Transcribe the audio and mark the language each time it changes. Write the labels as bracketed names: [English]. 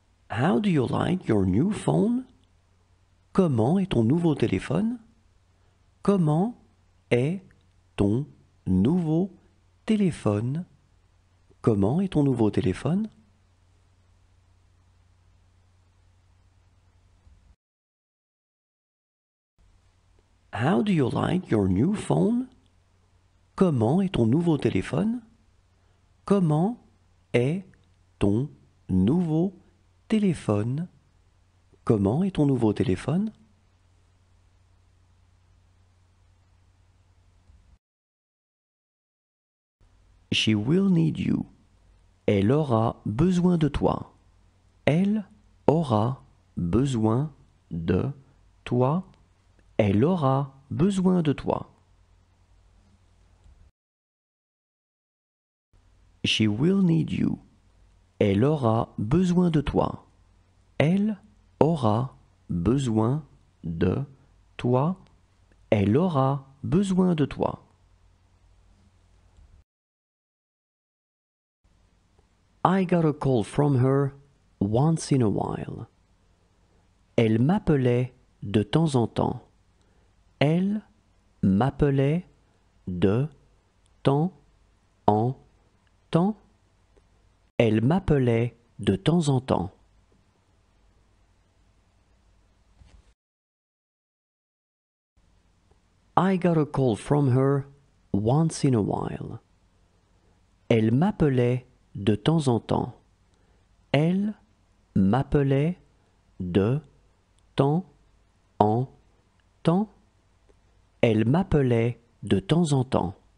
[English] How do you like your new phone? [French] Comment est ton nouveau téléphone? Comment est ton nouveau téléphone? Comment est ton nouveau téléphone? [English] How do you like your new phone? [French] Comment est ton nouveau téléphone? Comment est ton nouveau téléphone? Comment est ton nouveau téléphone? [English] She will need you. [French] Elle aura besoin de toi. Elle aura besoin de toi. Elle aura besoin de toi. [English] She will need you. [French] Elle aura besoin de toi. Elle aura besoin de toi. Elle aura besoin de toi. [English] I got a call from her once in a while. [French] Elle m'appelait de temps en temps. Elle m'appelait de temps en temps. Elle m'appelait de temps en temps. [English] I got a call from her once in a while. [French] Elle m'appelait de temps en temps. Elle m'appelait de temps en temps. Elle m'appelait de temps en temps.